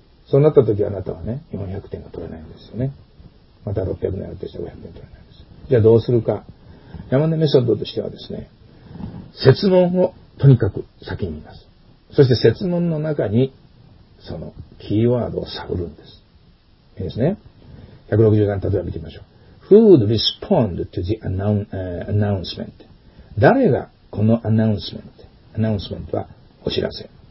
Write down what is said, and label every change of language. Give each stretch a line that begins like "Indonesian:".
Japanese: そうなった時あなたはね、400点が取れないんですよね。また600点やるとしたら500点取れないんです。じゃあどうするか。山根メソッドとしてはですね、設問をとにかく先に言います。そして設問の中に、そのキーワードを探るんです。いいですね。 160段、例えば見てみましょう。
English: Who would respond to the announcement?
Japanese: 誰がこのアナウンスメントはお知らせ。